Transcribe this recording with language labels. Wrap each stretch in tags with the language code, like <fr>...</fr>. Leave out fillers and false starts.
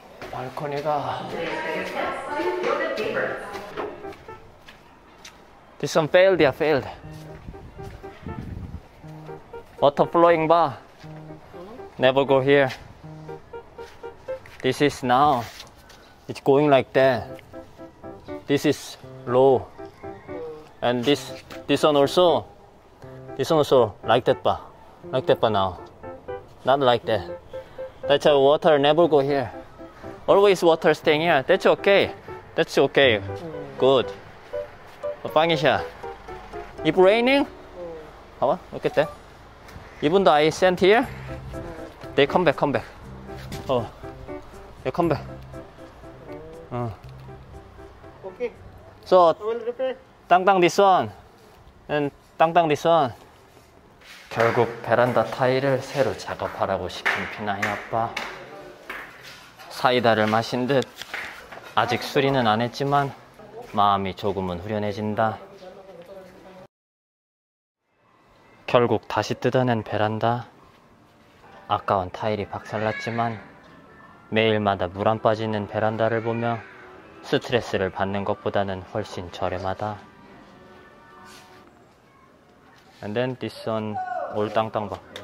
<ko>발코니가</ko> <en>This one failed, yeah, failed. 워터 플로잉 바 Never go here. This is now. It's going like that. This is low. And this one also. This one also like that 바. Like that 바 now. Not like that. That's a water never go here. Always water staying here. That's okay. That's okay. Good. 빵이샤. It raining?</en> <ko>봐봐.</ko> <en>Look at that.</en> <ko>이분도</ko> <en>I sent here. They come back, come back. Oh, they come back. Okay. So, I will repair. 땅땅 this one. And 땅땅 this one.</en> <ko>결국 베란다 타일을 새로 작업하라고 시킨 피나이 아빠. 사이다를 마신 듯 아직 수리는 안 했지만 마음이 조금은 후련해진다. 결국 다시 뜯어낸 베란다. 아까운 타일이 박살났지만 매일마다 물 안 빠지는 베란다를 보며 스트레스를 받는 것보다는 훨씬 저렴하다.</ko> <en>And then this one</en> <ko>올 땅땅 봐.</ko>